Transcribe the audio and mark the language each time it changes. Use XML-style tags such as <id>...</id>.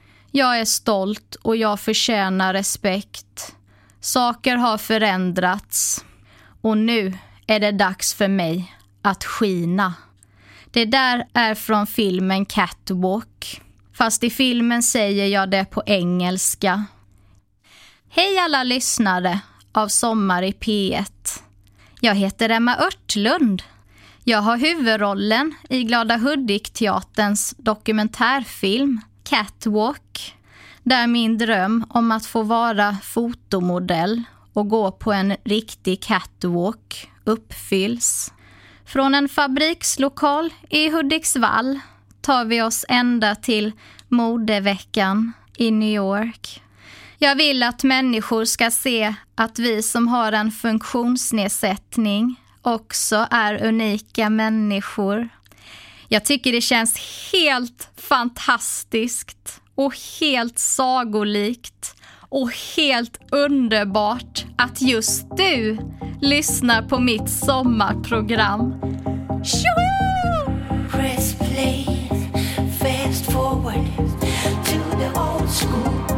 <sv>Jag är stolt och jag förtjänar respekt. Saker har förändrats och nu är det dags för mig att skina. Det där är från filmen Catwalk. Fast i filmen säger jag det på engelska. Hej alla lyssnare av Sommar i P1. Jag heter Emma Örtlund. Jag har huvudrollen i Glada Hudik-teaterns dokumentärfilm Catwalk, där min dröm om att få vara fotomodell och gå på en riktig catwalk uppfylls. Från en fabrikslokal i Hudiksvall tar vi oss ända till modeveckan i New York. Jag vill att människor ska se att vi som har en funktionsnedsättning också är unika människor. Jag tycker det känns helt fantastiskt och helt sagolikt och helt underbart att just du lyssnar på mitt sommarprogram. Tjoho!</sv> <en>Press play, fast forward to the old school.</en>